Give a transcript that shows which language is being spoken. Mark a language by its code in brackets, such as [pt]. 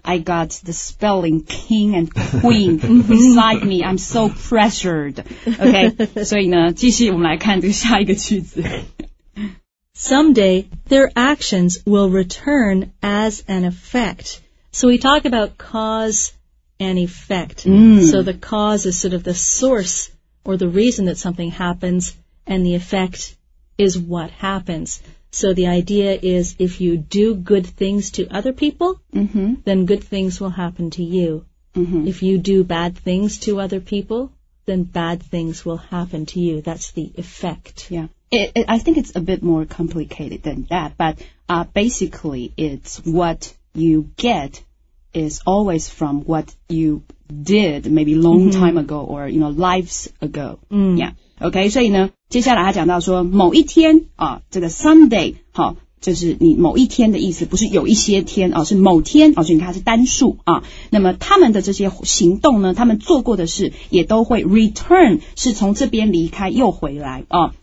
[en] I got the spelling king and queen beside me. I'm so pressured. [zh] Okay, 所以呢，继续我们来看这个下一个句子。 [en] Someday, their actions will return as an effect. So we talk about cause and effect. Mm. So the cause is sort of the source or the reason that something happens, and the effect is what happens. So the idea is if you do good things to other people, then good things will happen to you. Mm-hmm. If you do bad things to other people, then bad things will happen to you. That's the effect. Yeah. I think it's a bit more complicated than that, but basically it's what you get is always from what you did maybe long time ago or, you know, lives ago. Mm. Yeah. [zh] Okay, 所以呢接下来他讲到说某一天啊，这个 Sunday 啊，就是你某一天的意思，不是有一些天啊，是某天啊，所以你看它是单数啊。那么他们的这些行动呢，他们做过的事也都会 return， 是从这边离开又回来啊。